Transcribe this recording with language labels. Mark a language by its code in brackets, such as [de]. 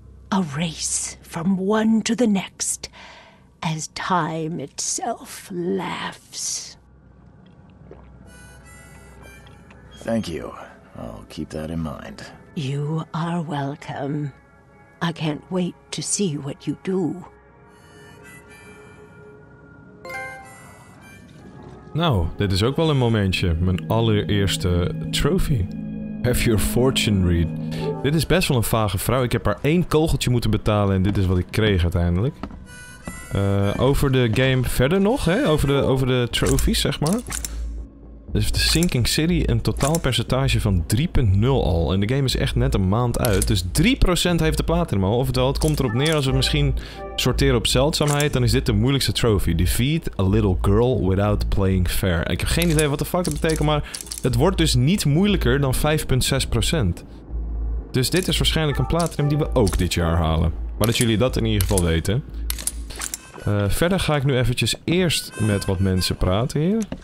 [en] A race from one to the next, as time itself laughs. Thank you. I'll keep that in mind. You are welcome. I can't wait to see what you do. [nl] Nou, dit is ook wel een momentje. Mijn allereerste trophy. [en] Have your fortune read. [nl] Dit is best wel een vage vrouw. Ik heb haar één kogeltje moeten betalen en dit is wat ik kreeg uiteindelijk. Over de game verder nog, hè? Over de trophies, zeg maar. Dus heeft de Sinking City een totaalpercentage van 3.0 al. En de game is echt net een maand uit. Dus 3% heeft de platinum al. Oftewel, het komt erop neer als we misschien sorteren op zeldzaamheid. Dan is dit de moeilijkste trophy. [en] Defeat a little girl without playing fair. [nl] Ik heb geen idee wat de fuck dat betekent. Maar het wordt dus niet moeilijker dan 5.6%. Dus dit is waarschijnlijk een platinum die we ook dit jaar halen. Maar dat jullie dat in ieder geval weten. Verder ga ik nu eventjes eerst met wat mensen praten hier.